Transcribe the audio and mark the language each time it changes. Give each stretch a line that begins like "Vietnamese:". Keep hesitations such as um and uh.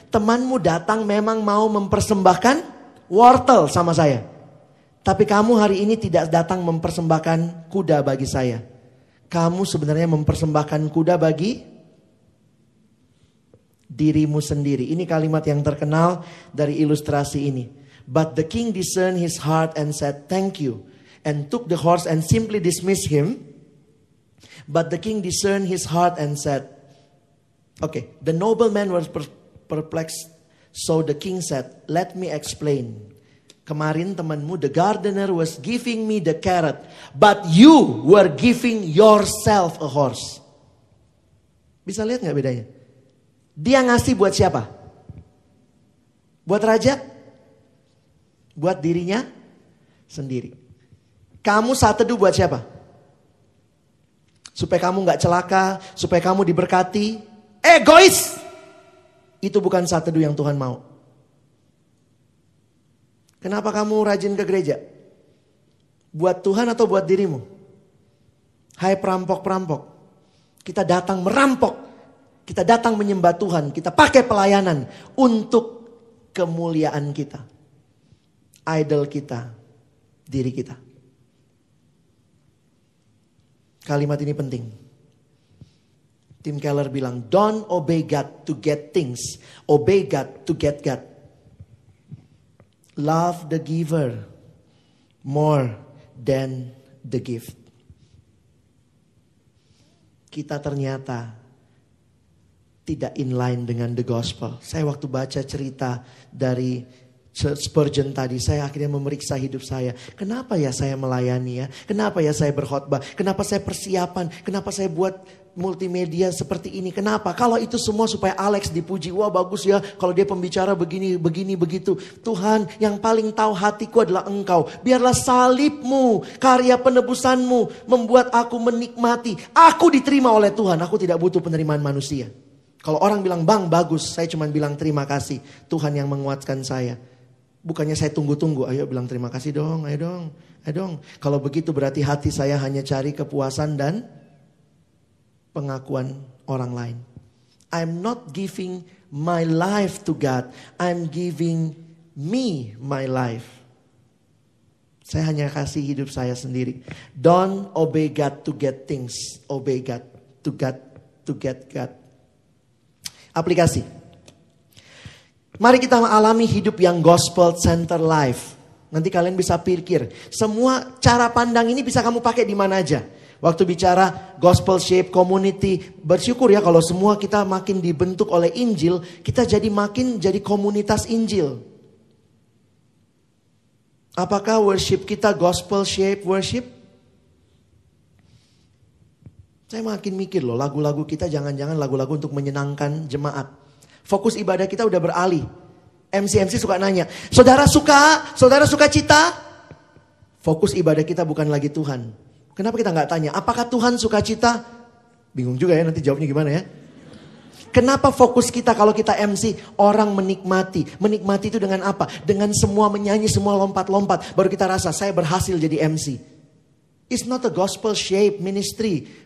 Indonesian: Temanmu datang memang mau mempersembahkan wortel sama saya. Tapi kamu hari ini tidak datang mempersembahkan kuda bagi saya. Kamu sebenarnya mempersembahkan kuda bagi dirimu sendiri. Ini kalimat yang terkenal dari ilustrasi ini.
English: But the king discerned his heart and said, "Thank you." And took the horse and simply dismissed him. But the king discerned his heart and said, Okay, the nobleman was per- perplexed. So the king said, "Let me explain.
Indonesian: Kemarin temanmu
English: the gardener was giving me the carrot, but you were giving yourself a horse."
Indonesian: Bisa lihat nggak bedanya? Dia ngasih buat siapa? Buat raja? Buat dirinya sendiri. Kamu saat teduh buat siapa? Supaya kamu nggak celaka, supaya kamu diberkati, egois. Itu bukan saat teduh yang Tuhan mau. Kenapa kamu rajin ke gereja? Buat Tuhan atau buat dirimu? Hai perampok-perampok. Kita datang merampok. Kita datang menyembah Tuhan. Kita pakai pelayanan untuk kemuliaan kita. Idol kita. Diri kita. Kalimat ini penting.
English: Tim Keller bilang, don't obey God to get things. Obey God to get God. Love the giver more than the gift.
Indonesian: Kita ternyata tidak in line dengan
English: the gospel.
Indonesian: Saya waktu baca cerita dari Spurgeon tadi, saya akhirnya memeriksa hidup saya. Kenapa ya saya melayani ya? Kenapa ya saya berkhotbah? Kenapa saya persiapan? Kenapa saya buat multimedia seperti ini? Kenapa? Kalau itu semua supaya Alex dipuji. Wah bagus ya kalau dia pembicara begini, begini, begitu. Tuhan yang paling tahu hatiku adalah engkau. Biarlah salibmu, karya penebusanmu membuat aku menikmati. Aku diterima oleh Tuhan, aku tidak butuh penerimaan manusia. Kalau orang bilang, bang bagus, saya cuma bilang terima kasih. Tuhan yang menguatkan saya. Bukannya saya tunggu-tunggu, ayo bilang terima kasih dong, ayo dong, ayo dong. Kalau begitu berarti hati saya hanya cari kepuasan dan pengakuan orang lain.
English: I'm not giving my life to God, I'm giving me my life.
Indonesian: Saya hanya kasih hidup saya sendiri.
English: Don't obey God to get things, obey God to God to get God.
Indonesian: Aplikasi. Mari kita alami hidup yang
English: gospel center life.
Indonesian: Nanti kalian bisa pikir, semua cara pandang ini bisa kamu pakai di mana aja. Waktu bicara
English: gospel shape community,
Indonesian: bersyukur ya kalau semua kita makin dibentuk oleh Injil, kita jadi makin jadi komunitas Injil. Apakah worship kita
English: gospel shape worship?
Indonesian: Saya makin mikir loh, lagu-lagu kita jangan-jangan lagu-lagu untuk menyenangkan jemaat. Fokus ibadah kita udah beralih. MC-MC suka nanya, saudara suka, saudara suka cita. Fokus ibadah kita bukan lagi Tuhan. Kenapa kita nggak tanya, apakah Tuhan suka cita? Bingung juga ya nanti jawabnya gimana ya. Kenapa fokus kita kalau kita MC orang menikmati? Menikmati itu dengan apa? Dengan semua menyanyi, semua lompat-lompat. Baru kita rasa saya berhasil jadi MC.
English: It's not a gospel shape ministry.